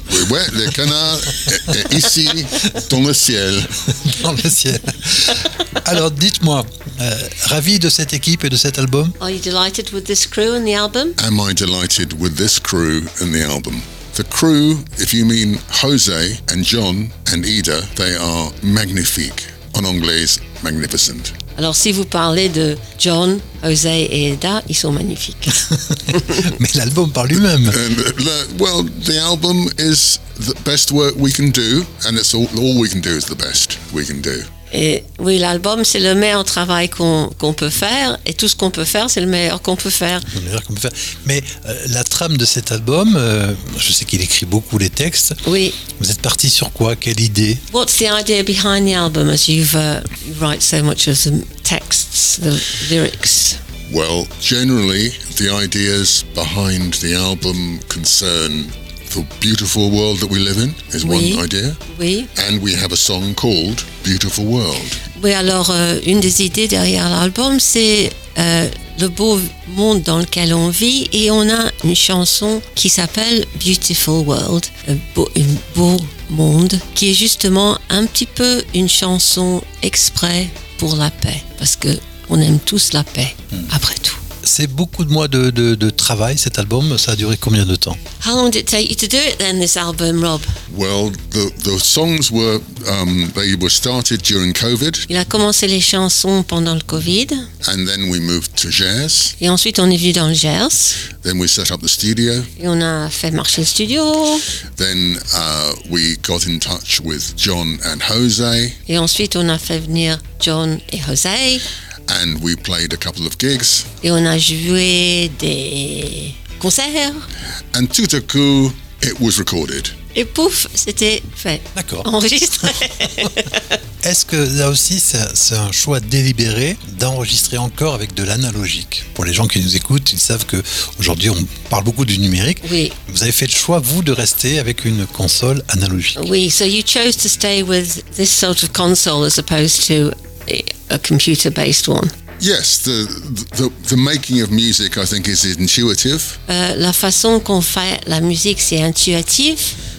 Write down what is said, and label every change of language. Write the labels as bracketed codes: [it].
[fr] Oui, les canards est ici, dans le ciel. Dans le ciel. Alors, dites-moi, ravi de cette équipe et de cet album? [en] Are you delighted with this crew and the album? Am I delighted with this crew and the album? The crew, if you mean Jose and John and Ida, they are magnifique. [fr] En anglais, magnificent. Alors, si vous parlez de John, Jose et Ida, ils sont magnifiques. Mais l'album parle lui-même. [en] The album is the best work we can do, and it's all we can do is the best we can do. [fr] Et oui, l'album, c'est le meilleur travail qu'on peut faire, et tout ce qu'on peut faire, c'est le meilleur qu'on peut faire. Mais la trame de cet album, je sais qu'il écrit beaucoup les textes. Oui. Vous êtes parti sur quoi? Quelle idée? [en] What's the idea behind the album, as you've write so much of the texts, the lyrics? Well, generally, the ideas behind the album concern the beautiful world that we live in is one idea. [fr] Oui. [en] And we have a song called Beautiful World. [fr] Oui, alors une des idées derrière l'album, c'est le beau monde dans lequel on vit, et on a une chanson qui s'appelle Beautiful World, un beau monde, qui est justement un petit peu une chanson exprès pour la paix, parce que on aime tous la paix, après tout. C'est beaucoup de mois de travail, cet album. Ça a duré combien de temps? [en] How long did it take you to do it then, this album, Rob? Well, the songs were they were started during COVID. [fr] Il a commencé les chansons pendant le COVID. [en] And then we moved to Gers. [fr] Et ensuite on est venu dans le Gers. [en] Then we set up the studio. [fr] Et on a fait marcher le studio. [en] Then we got in touch with John and Jose. [fr] Et ensuite on a fait venir John et Jose. [en] And we played a couple of gigs. [fr] Et on a joué des concerts. [en] And [fr] tout à coup, [en] it was recorded. [fr] Et pouf, c'était fait. D'accord. Enregistré. Est-ce que là aussi, c'est un choix délibéré d'enregistrer encore avec de l'analogique? Pour les gens qui nous écoutent, ils savent qu'aujourd'hui, on parle beaucoup du numérique. Oui. Vous avez fait le choix, vous, de rester avec une console analogique. [en] Oui, so you chose to stay with this sort of console as opposed to a computer-based one. Yes, the making of music, I think, is intuitive. [fr] La façon qu'on fait la musique, c'est intuitif.